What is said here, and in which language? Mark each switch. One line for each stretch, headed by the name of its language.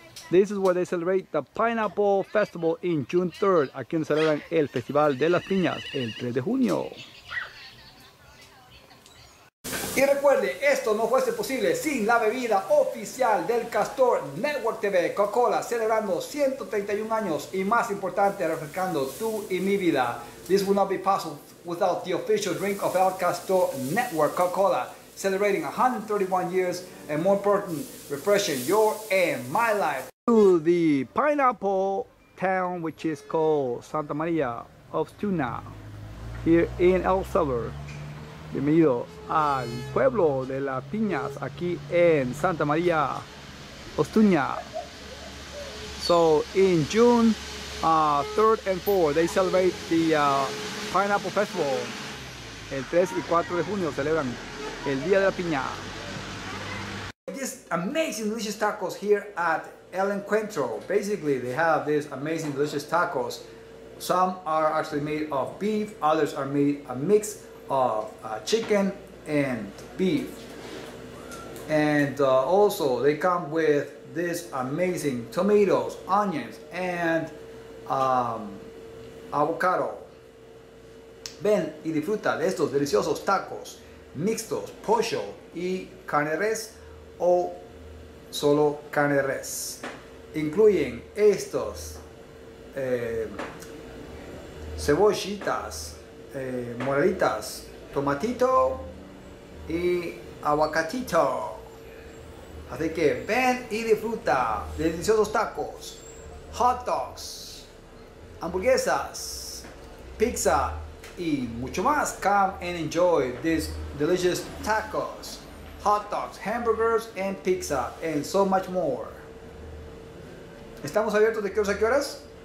English: This is where they celebrate the Pineapple Festival in June 3rd.
Spanish: Aquí donde celebran el Festival de las Piñas el 3 de junio. Y recuerde, esto no fuese posible sin la bebida oficial del Castor Network TV, Coca-Cola, celebrando 131 años y más importante, refrescando tú y mi vida.
English: This would not be possible without the official drink of El Castor Network, Coca-Cola, celebrating 131 years and more important, refreshing your and my life. To the pineapple town, which is called Santa Maria Ostuna, here in El Salvador.
Spanish: Bienvenido al pueblo de las piñas aquí en Santa María Ostuña.
English: So in June 3rd and 4th, they celebrate the Pineapple Festival.
Spanish: El 3 y 4 de junio celebran el Día de la Piña.
English: These amazing delicious tacos here at El Encuentro. Basically, they have these amazing delicious tacos. Some are actually made of beef, others are made a mix of chicken and beef, and also they come with this amazing tomatoes, onions, and avocado.
Spanish: Ven y disfruta de estos deliciosos tacos mixtos, pollo y carne res, o solo carne res, incluyen estos cebollitas moraditas, tomatito y aguacatito. Así que ven y disfruta de deliciosos tacos, hot dogs, hamburguesas, pizza y mucho más.
English: Come and enjoy these delicious tacos, hot dogs, hamburgers and pizza and so much more.
Spanish: ¿Estamos abiertos de qué horas a qué horas?